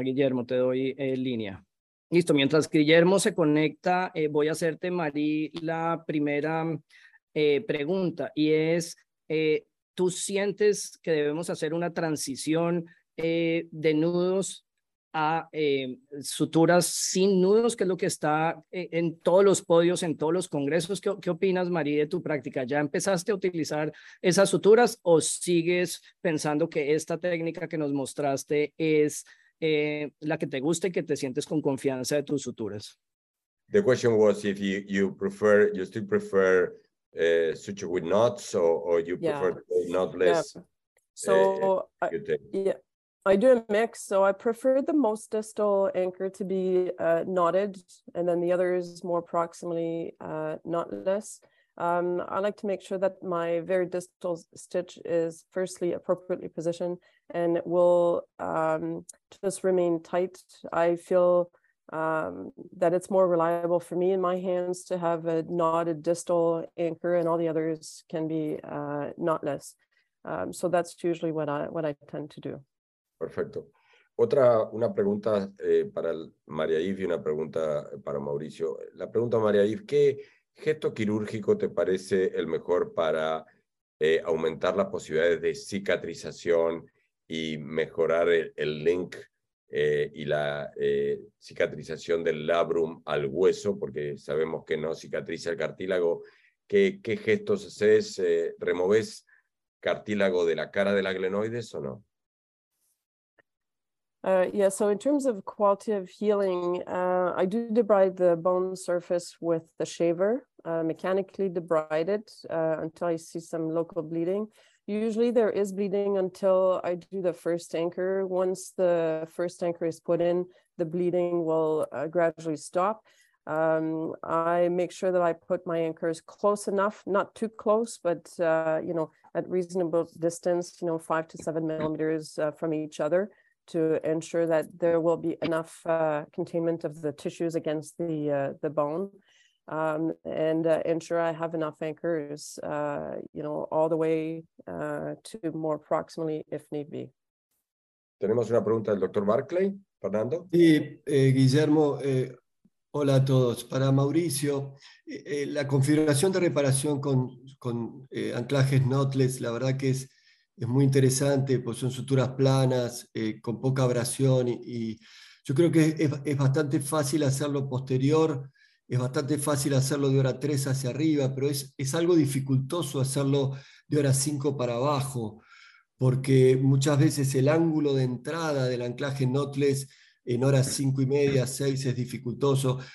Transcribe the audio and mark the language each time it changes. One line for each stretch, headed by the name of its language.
Spanish: Guillermo, te doy línea. Listo, mientras Guillermo se conecta, voy a hacerte, Marie, la primera pregunta, y es, ¿tú sientes que debemos hacer una transición de nudos a suturas sin nudos, que es lo que está en todos los podios, en todos los congresos? ¿Qué opinas, Marie, de tu práctica? ¿Ya empezaste a utilizar esas suturas o sigues pensando que esta técnica que nos mostraste es la que te guste y que te sientes con confianza de tus suturas?
English: The question was if you still prefer suture with knots or you prefer knotless. So I do a mix. So I prefer the most distal anchor to be knotted, and then the others more proximally knotless. I like to make sure that my very distal stitch is firstly appropriately positioned and it will just remain tight. I feel that it's more reliable for me in my hands to have a knotted distal anchor, and all the others can be knotless. So that's usually what I tend to do.
Spanish: Perfecto. Otra, una pregunta para María Yves y una pregunta para Mauricio. La pregunta, María Yves, ¿qué gesto quirúrgico te parece el mejor para aumentar las posibilidades de cicatrización y mejorar el link y la cicatrización del labrum al hueso? Porque sabemos que no cicatriza el cartílago. ¿Qué gestos haces? ¿Removes cartílago de la cara de la glenoides o no?
English: Yeah, so in terms of quality of healing, I do debride the bone surface with the shaver, mechanically debride it until I see some local bleeding. Usually there is bleeding until I do the first anchor. Once the first anchor is put in, the bleeding will gradually stop. I make sure that I put my anchors close enough, not too close, but, you know, at reasonable distance, you know, 5 to 7 millimeters from each other, to ensure that there will be enough containment of the tissues against the bone, and ensure I have enough anchors, you know, all the way to more proximally if need be.
Spanish: Tenemos una pregunta del Dr. Barclay, Fernando. Sí, Guillermo, hola a todos. Para Mauricio, la configuración de reparación con anclajes knotless, la verdad que es muy interesante, pues son suturas planas, con poca abrasión, y yo creo que es bastante fácil hacerlo posterior, es bastante fácil hacerlo de hora 3 hacia arriba, pero es algo dificultoso hacerlo de hora 5 para abajo, porque muchas veces el ángulo de entrada del anclaje knotless en horas 5 y media, 6 es dificultoso.